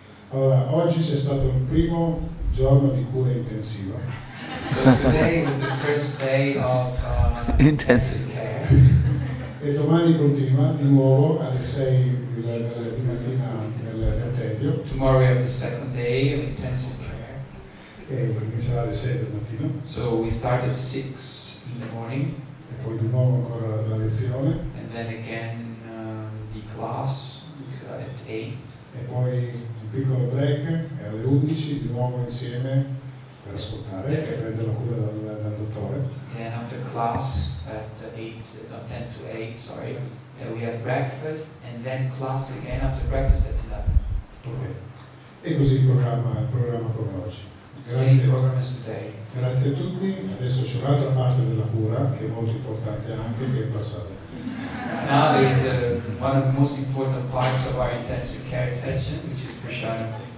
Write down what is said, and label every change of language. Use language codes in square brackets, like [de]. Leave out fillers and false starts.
[it] Allora, oggi c'è stato il primo giorno di cura intensiva. [en] So today was the first day of intensive care. [it] E domani continua di nuovo alle 6 di mattina nel tempio. [en] Tomorrow we have the second day of intensive care. [it] E inizierà alle 6 del mattino. [en] So we start at 6 in the morning. [it] E poi di nuovo ancora la lezione. [en] And then again the class at 8. [it] E poi un piccolo break e alle 11 di nuovo insieme per ascoltare e prendere la cura dal dottore. [en] Then after class at 10 to 8, and we have breakfast and then class again after breakfast at 11. [it] Okay. E così il programma come oggi. Grazie a tutti, adesso c'è un'altra parte della cura che è molto importante anche, che è il passare. [en] Now there is one of the most important parts of our intensive care session, which is Prashadam.